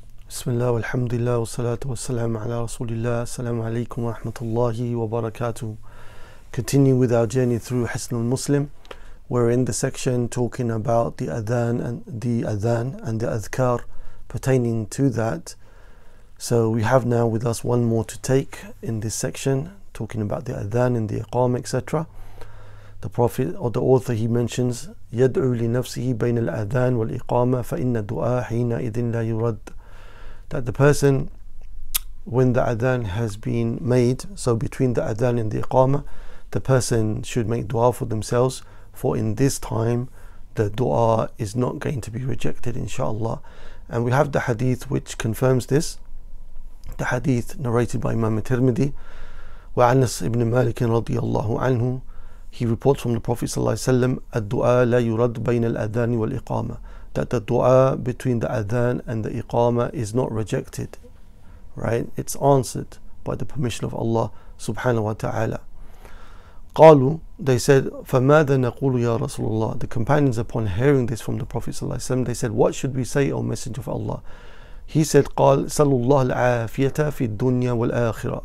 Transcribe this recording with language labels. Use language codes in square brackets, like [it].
[ar] بسم الله والحمد لله والصلاة والسلام على رسول الله السلام عليكم ورحمة الله وبركاته. [en] Continue with our journey through حسن المسلم. We're in the section talking about the adhan and the adhkar pertaining to that. So we have now with us one more to take in this section, talking about the adhan and the iqam, etc. The Prophet or the author, he mentions [ar] يدعو لنفسه بين الأذان والإقامة فإن الدعاء حينئذ لا يرد. [en] That the person, when the adhan has been made, so between the adhan and the iqamah, the person should make dua for themselves, for in this time the dua is not going to be rejected, inshallah. And we have the hadith which confirms this, the hadith narrated by Imam Tirmidhi. Wa Anas ibn Malik radiyallahu anhu, he reports from the Prophet [ar] ad-du'a la yurad bayna al-adhan wal-iqamah, [en] that the dua between the adhan and the iqama is not rejected, right? It's answered by the permission of Allah subhanahu wa ta'ala. Qalu, they said, [ar] فَمَاذَا نَقُولُ يَا رَسُولُ اللَّهِ. [en] The companions, upon hearing this from the Prophet sallallahu alayhi wa sallam, they said, what should we say, O Messenger of Allah? He said, [ar] قال سَلُوا اللَّهَ الْعَافِيَةَ فِي الدُّنْيَا وَالْآخِرَةَ.